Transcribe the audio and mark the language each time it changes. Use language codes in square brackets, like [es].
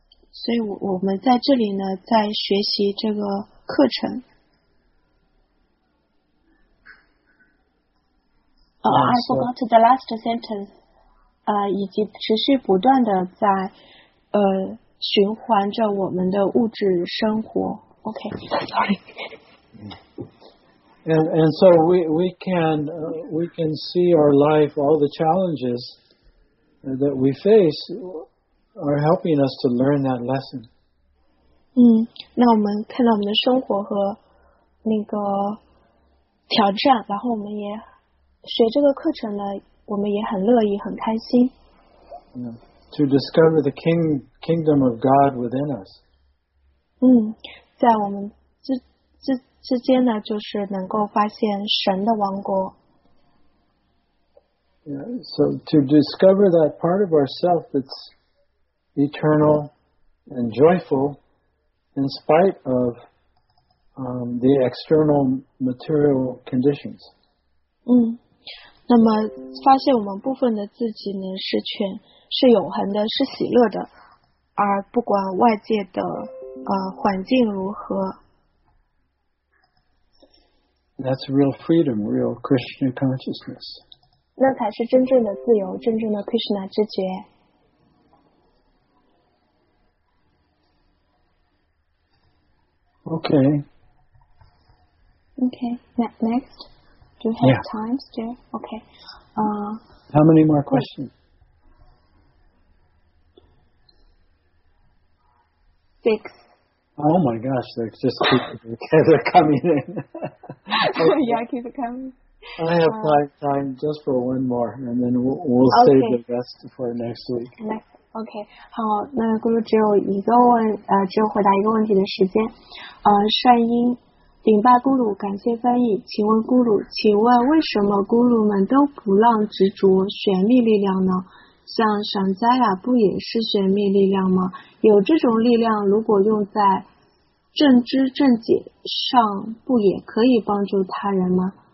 [zh] 所以我们在这里呢，在学习这个课程。 [en] I forgot the last sentence. [zh] 以及持续不断的在循环着我们的物质生活。 [en] Okay, sorry. And so we can see our life, all the challenges that we face are helping us to learn that lesson. [zh] 那我们看到我们的生活和那个挑战，然后我们也学这个课程呢，我们也很乐意，很开心。 [en] To discover the kingdom of God within us. [zh] 在我们之间呢，就是能够发现神的王国。 [en] Yeah, so to discover that part of ourself that's eternal and joyful in spite of the external material conditions. [zh] 那么发现我们部分的自己呢，是永恒的，是喜乐的，而不管外界的环境如何。 [en] That's real freedom, real Krishna consciousness. [zh] 那才是真正的自由，真正的 Krishna 知觉。 [en] Okay. Okay. Next, do you have time still? Okay. How many more questions? Six. Oh my gosh, they're coming in. Yeah, keep it coming. I have time just for one more, and then we'll save the rest for next week. [zh] Okay, 好，那咕噜只有一个问，只有回答一个问题的时间。善英，顶拜咕噜，感谢翻译。请问为什么咕噜们都不让执着旋律力量呢？像闪灾啊，不也是玄秘力量吗？有这种力量，如果用在正知正解上，不也可以帮助他人吗？